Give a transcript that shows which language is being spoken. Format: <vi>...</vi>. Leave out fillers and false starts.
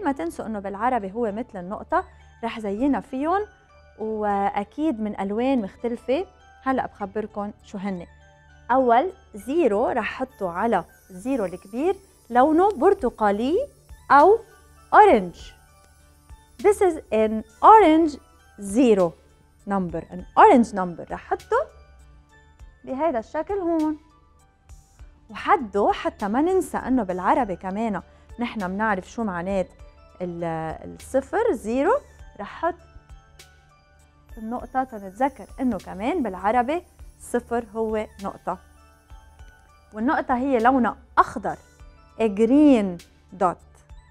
<ar>ما تنسوا أنه بالعربي هو مثل النقطة، رح زينا فيهم وأكيد من ألوان مختلفة. هلأ بخبركن شو هني. أول زيرو رح حطه على زيرو الكبير لونه برتقالي أو أورنج.</ar> <en>This is an orange zero number. An orange number</en> <ar>رح حطه بهذا الشكل هون. وحده حتى ما ننسى أنه بالعربي كمان نحن منعرف شو معنات الصفر زيرو، رح حط النقطة تنتذكر أنه كمان بالعربي صفر هو نقطة، والنقطة هي لونها أخضر،</ar> <en>a green dot.</en>